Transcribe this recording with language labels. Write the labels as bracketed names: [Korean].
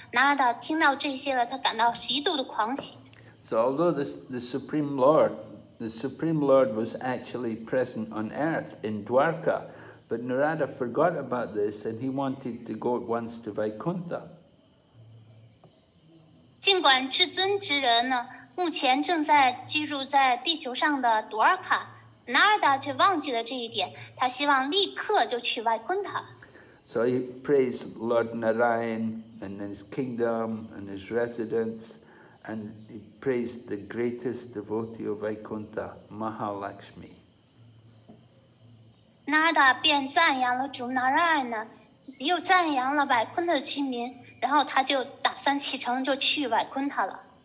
[Chinese] 那儿的听到这些了，他感到极度的狂喜。 [English] So although the Supreme Lord was actually present on earth in Dwarka, but Narada forgot about this and he wanted to go at once to Vaikuntha. [Chinese] 尽管至尊之人呢目前正在居住在地球上的多尔卡，纳尔达却忘记了这一点，他希望立刻就去外昆塔。 [English] So he praised Lord Narayan and his kingdom and his residence, and he praised the greatest devotee of Vaikuntha, Mahalakshmi. [Chinese] 纳尔达便赞扬了主 Narayan 呢，又赞扬了外昆塔的居民，然后他就打算启程就去Vaikuntha了。